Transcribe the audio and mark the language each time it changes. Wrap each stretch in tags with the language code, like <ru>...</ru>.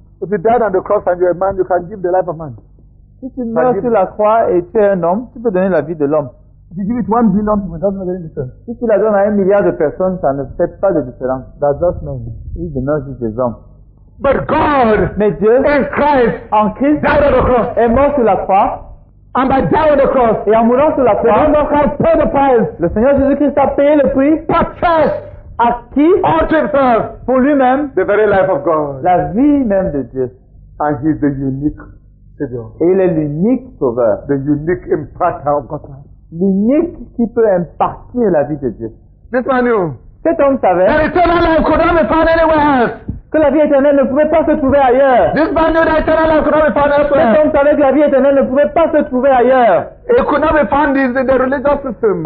<en>If you died on the cross and you're a man, you can give the life of man.</en> <fr>Si tu meurs sur la croix et tu es un homme, tu peux donner la vie de l'homme.</fr> <en>If you give it 1 billion people, it doesn't make any difference.</en> <fr>Si tu la donnes à 1 milliard de personnes, ça ne fait pas de différence.</fr> <en>That's just men.</en> <fr>Il demeure juste des hommes.</fr> <en>But God,</en> <fr>mais Dieu,</fr> <en>in Christ,</en> <fr>en Christ,</fr> <en>died on the cross.</en> <fr>Est mort sur la croix.</fr> <en>And by dying on the cross,</en> <fr>et en mourant sur la croix,</fr> <en>the Lord has paid the price.</en> <fr>Le Seigneur Jésus-Christ a payé le prix.</fr> <en>Purchased</en> <fr>à qui?</fr> <en>Unto himself,</en> <fr>pour lui-même,</fr> <en>the very life of God,</en> <fr>la vie même de Dieu.</fr> <en>And he is the unique savior.</en> <fr>Et il est l'unique sauveur.</fr> <en>The unique impartor of God's life.</en> <fr>L'unique qui peut impartir la vie de Dieu.</fr> <en>This man knew.</en> <fr>Cet homme savait.</fr> <en>That eternal life could not be found anywhere else.</en> <fr>Que la vie éternelle ne pouvait pas se trouver ailleurs.</fr> <en>This man knew that eternal life could not be found elsewhere.</en> <fr>Cet homme savait que la vie éternelle ne pouvait pas se trouver ailleurs.</fr> <en>It could not be found in the religious system.</en>